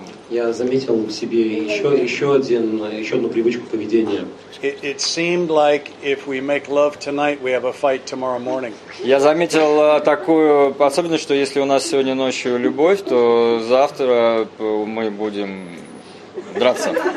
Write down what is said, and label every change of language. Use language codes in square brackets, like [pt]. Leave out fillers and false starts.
[ru] Я заметил в себе еще одну привычку поведения. [en] It seemed like if we make love tonight, we have a fight tomorrow morning. [ru] Я заметил такую особенность, что если у нас сегодня ночью любовь, то завтра мы будем драться.